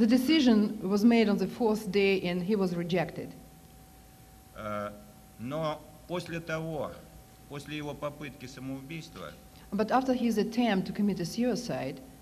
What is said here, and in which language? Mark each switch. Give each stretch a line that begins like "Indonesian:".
English: The decision was made on the fourth day and he was rejected.
Russian: Но после того, после его попытки самоубийства,
English: but after his attempt to commit a suicide,